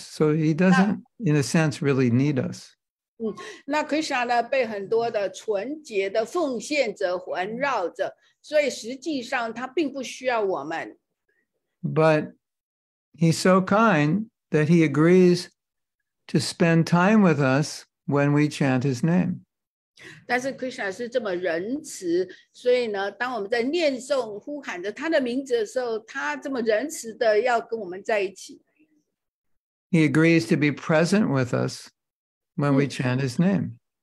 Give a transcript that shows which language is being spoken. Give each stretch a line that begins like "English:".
English: So he doesn't, in a sense, really need us. But he's so kind that he agrees to spend time with us when we chant his name.
Chinese: 但是 Krishna 是这么仁慈，所以呢，当我们在念诵、呼喊着他的名字的时候，他这么仁慈的要跟我们在一起。
English: He agrees to be present with us when we chant his name.